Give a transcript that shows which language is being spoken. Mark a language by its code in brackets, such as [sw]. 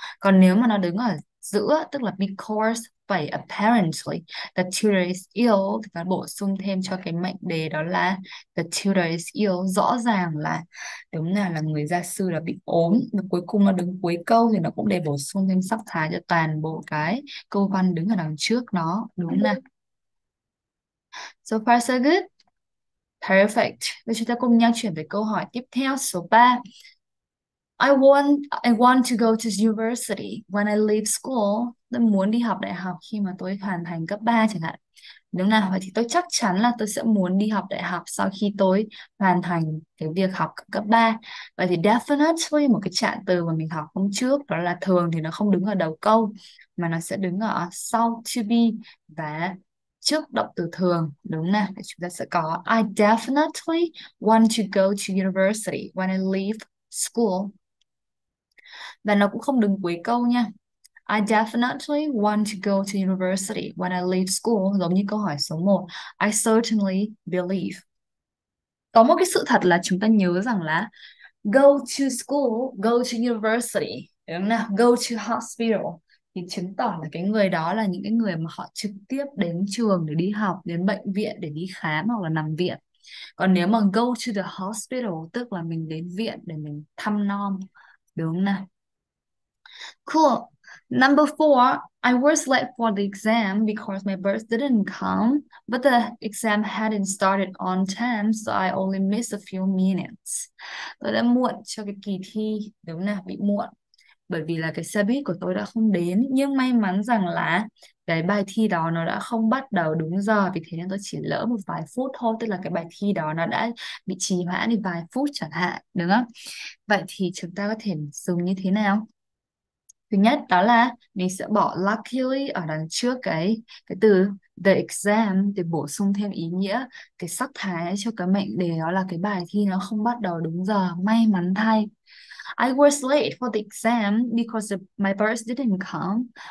[vi] Còn nếu mà nó đứng ở giữa, tức là because phẩy [en] apparently the tutor is ill, [vi] thì nó bổ sung thêm cho cái mệnh đề, đó là [en] the tutor is ill, [vi] rõ ràng là đúng là người gia sư là bị ốm. Và cuối cùng nó đứng cuối câu thì nó cũng để bổ sung thêm sắc thái cho toàn bộ cái câu văn đứng ở đằng trước nó, đúng nè. [en] So far so good. Perfect. [vi] Bây giờ chúng ta cùng nhau chuyển về câu hỏi tiếp theo số 3. [en] I want to go to university when I leave school. [vi] Tôi muốn đi học đại học khi mà tôi hoàn thành cấp 3 chẳng hạn. Đúng nào? Vậy thì tôi chắc chắn là tôi sẽ muốn đi học đại học sau khi tôi hoàn thành cái việc học cấp 3. Vậy thì definitely một cái trạng từ mà mình học hôm trước, đó là thường thì nó không đứng ở đầu câu mà nó sẽ đứng ở sau to be và trước động từ thường, đúng nè. Chúng ta sẽ có [en] I definitely want to go to university when I leave school. [vi] Và nó cũng không đứng cuối câu nha. [en] I definitely want to go to university when I leave school, [vi] giống như câu hỏi số 1. [en] I certainly believe. [vi] Có một cái sự thật là chúng ta nhớ rằng là [en] go to school, go to university, [vi] đúng không nào? [en] Go to hospital [vi] thì chứng tỏ là cái người đó là những cái người mà họ trực tiếp đến trường để đi học, đến bệnh viện để đi khám hoặc là nằm viện. Còn nếu mà [en] go to the hospital, [vi] tức là mình đến viện để mình thăm nom, đúng không nào? [en] Cool. Number four, I was late for the exam because my bus didn't come, but the exam hadn't started on time, so I only missed a few minutes. [vi] Tôi đã muộn cho cái kỳ thi, đúng không nào? Bị muộn bởi vì là cái xe buýt của tôi đã không đến, nhưng may mắn rằng là cái bài thi đó nó đã không bắt đầu đúng giờ, vì thế nên tôi chỉ lỡ một vài phút thôi, tức là cái bài thi đó nó đã bị trì hoãn đi vài phút chẳng hạn, đúng không? Vậy thì chúng ta có thể dùng như thế nào? Thứ nhất đó là mình sẽ bỏ luckily ở đằng trước cái từ the exam để bổ sung thêm ý nghĩa cái sắc thái cho cái mệnh đề, đó là cái bài thi nó không bắt đầu đúng giờ, may mắn thay. [en] I was late for the exam because my bus didn't come.